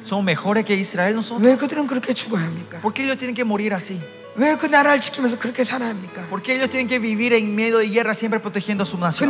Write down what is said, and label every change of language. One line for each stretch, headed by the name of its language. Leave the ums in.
Spanish: Somos mejores que Israel nosotros.
Korean: 왜 그들은 그렇게 죽어야 합니까?
Spanish: Por qué ellos tienen que morir así?
Korean: 왜그 나라를 지키면서 그렇게 살아야 합니까?
Spanish: Por qué ellos tienen que vivir en miedo y guerra siempre protegiendo su nación?